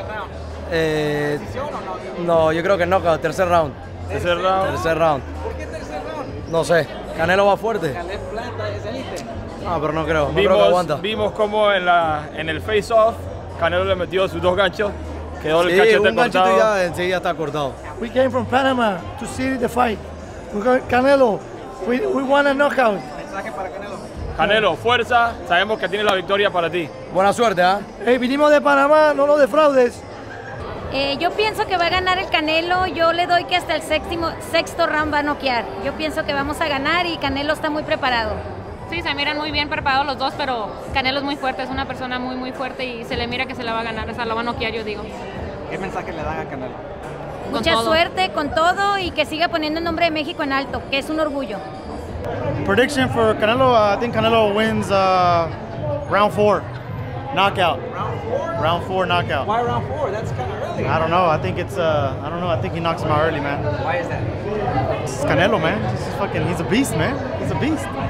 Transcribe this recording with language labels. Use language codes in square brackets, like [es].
[es] round? No, yo creo que knockout, tercer round. ¿Tercer round? Tercer round. ¿Por qué tercer round? No sé, Canelo va fuerte. Canelo no, pero no creo. No creo que aguanta. Vimos cómo en el face-off, Canelo le metió sus dos ganchos, quedó el cachete cortado. Sí, un ganchito ya está cortado. [en] We came from Panama to see the fight. We got Canelo, we want a knockout. [es] Mensaje para Canelo. Canelo, fuerza, sabemos que tiene la victoria para ti. Buena suerte, ¿eh? Hey, vinimos de Panamá, no lo defraudes. Yo pienso que va a ganar el Canelo, yo le doy que hasta el sexto round va a noquear. Yo pienso que vamos a ganar y Canelo está muy preparado. Sí, se miran muy bien preparados los dos, pero Canelo es muy fuerte, es una persona muy, muy fuerte y se le mira que se la va a ganar, o sea, lo va a noquear, yo digo. ¿Qué mensaje le dan a Canelo? Mucha suerte con todo y que siga poniendo el nombre de México en alto, que es un orgullo. [en] Prediction for Canelo, I think Canelo wins round four, knockout. Round four? Round four, knockout. Why round four? That's kind of early. I don't know, I think he knocks him out early, man. Why is that? It's Canelo, man. He's a beast, man. He's a beast.